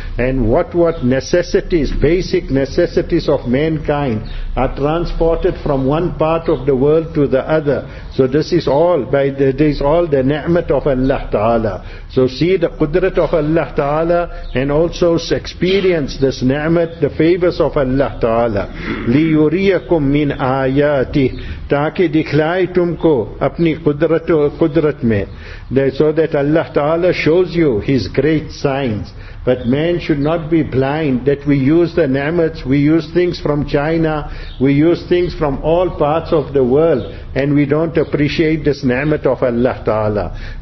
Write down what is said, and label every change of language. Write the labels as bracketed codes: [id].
[en] And what necessities, basic necessities of mankind are transported from one part of the world to the other. So this is all the ni'mat of Allah Ta'ala. So see the qudrat of Allah Ta'ala and also experience this ni'mat, the favors of Allah Ta'ala. [ar] لِيُرِيَكُمْ مِنْ آيَاتِهِ. [ur] تاکہ دکھلائے تم کو اپنی قدرت میں. [en] So that Allah Ta'ala shows you His great signs. But man should not be blind that we use the ni'mats, we use things from China, we use things from all parts of the world, and we don't appreciate this ni'mat of Allah Ta'ala.